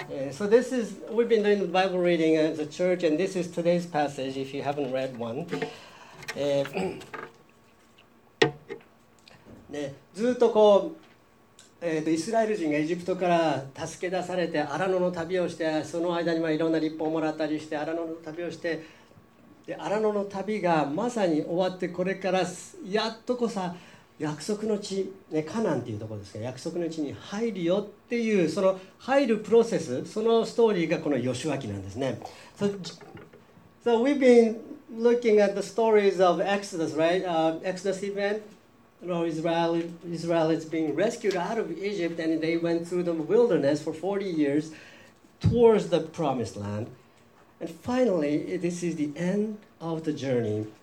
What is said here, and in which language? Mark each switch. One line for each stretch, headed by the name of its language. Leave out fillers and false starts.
English: So this is, we've been doing the Bible reading at the church, and this is today's passage, if you haven't read one.
Japanese: ね、ずっとこう、イスラエル人がエジプトから助け出されて、アラノの旅をして、その間にはいろんな立法をもらったりして、アラノの旅をして、でアラノの旅がまさに終わって、これからやっとこさ、約束の地、ね、カナンっていうところですけど、約束の地に入るよっていう、その入るプロセス、そのストーリーがこのヨシュア記なんですね。
English: So, so we've been looking at the stories of Exodus, right? Exodus event, you know, Israelites being rescued out of Egypt and they went through the wilderness for 40 years towards the promised land. And finally, this is the end of the journey.